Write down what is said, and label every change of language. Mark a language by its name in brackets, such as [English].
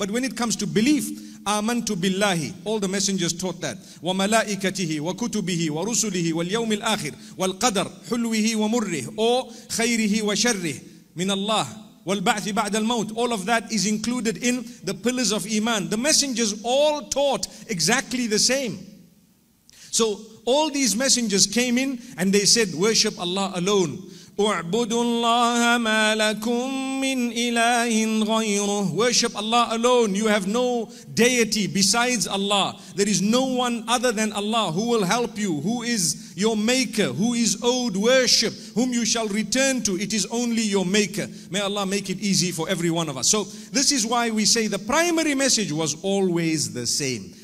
[English] But when it comes to belief, [Arabic] آمنت بالله, [English] all the messengers taught that, [Arabic] وملائكته وكتبه ورسله واليوم الآخر والقدر حلوه ومره أو خيره وشره من الله والبعث بعد الموت. [English] All of that is included in the pillars of Iman. The messengers all taught exactly the same. So all these messengers came in and they said, worship Allah alone. [Arabic] اعبدوا الله ما لكم من إله غيره. [English] Worship Allah alone. You have no deity besides Allah. There is no one other than Allah who will help you, who is your maker, who is owed worship, whom you shall return to. It is only your maker. May Allah make it easy for every one of us. So this is why we say the primary message was always the same.